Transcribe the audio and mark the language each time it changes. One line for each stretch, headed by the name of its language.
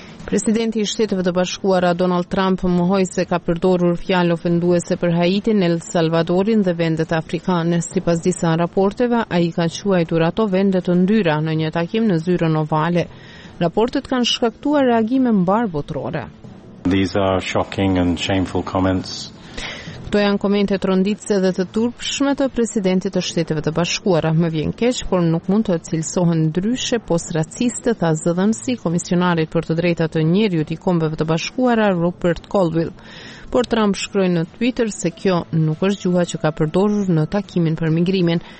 Albanian: Presidenti i Shteteve të Bashkuara Donald Trump mohoi se ka përdorur fjalë ofenduese për Haitin, El Salvadorin dhe vendet afrikane. Sipas disa raporteve, ai ka quajtur ato vende të ndyra në një takim në zyrën ovale. Raportet kanë shkaktuar reagime mbar botërore.
English: These are shocking and shameful comments.
Albanian: Këto janë komente tronditëse dhe të turpshme të presidentit të Shteteve të Bashkuara. Më vjen keq, por nuk mund të cilësohen ndryshe postraciste, tha zëdhënësi komisionarit për të drejtat të njerëzit i Kombeve të Bashkuara Rupert Colville. Por Trump shkroi në Twitter se kjo nuk është gjuha që ka përdorur në takimin për migrimin.